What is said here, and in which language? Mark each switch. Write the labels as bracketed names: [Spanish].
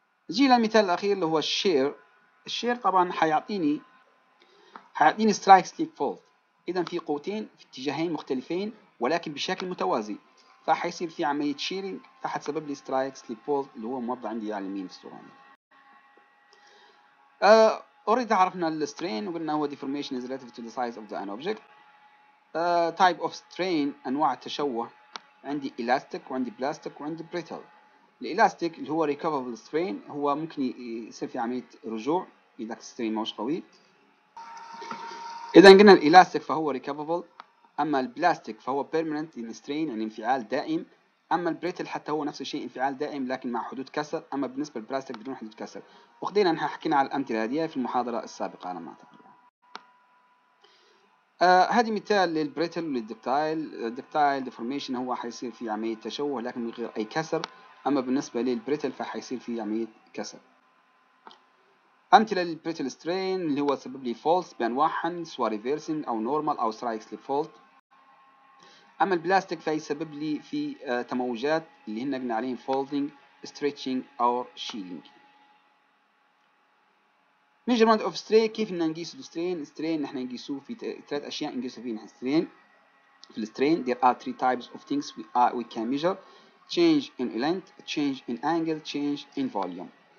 [Arabic] نجي للمثال الاخير اللي هو الشير طبعا حيعطيني strike slip fault. اذا في قوتين في اتجاهين مختلفين ولكن بشكل متوازي، فحيصير في عملية shearing فحتسبب لي strike slip fault اللي هو موضع عندي على اليمين في الصورة. اريد عرفنا الstrain وقلنا هو [English] deformation is relative to the size of the an object. Type of strain [Arabic] أنواع التشوه عندي elastic وعندي plastic وعندي brittle. الelastic اللي هو recoverable strain هو ممكن يصير في عملية رجوع إذا strain موش قوي. إذا قلنا الelastic فهو recoverable، أما plastic فهو [English] permanent in strain [Arabic] يعني انفعال دائم. اما البريتل حتى هو نفس الشيء، انفعال دائم لكن مع حدود كسر، اما بالنسبه للبلاستيك بدون حدود كسر. واخدينا نحن حكينا على الامثله هذه في المحاضره السابقه على ما اعتقد. هذه مثال للبريتل وللدكتايل. الدكتايل ديفورميشن هو حيصير في عمليه تشوه لكن من غير اي كسر، اما بالنسبه للبريتل فحيصير في عمليه كسر. امثله للبريتل سترين اللي هو سبب لي فولت بانواعها سواء ريفيرسين او نورمال او سترايك سليب فولت. اما البلاستيك فهي سبب لي في تموجات اللي هن قلنا عليهم فولدنج ستريتشنج او شيلينج. ميجرمنت اوف سترين، كيف بدنا نقيس السترين؟ السترين نحن نقيسوه في ثلاث اشياء نقيسوا فيها السترين. في السترين [English] there are three types of things we can measure: change in length, change in angle, change in volume.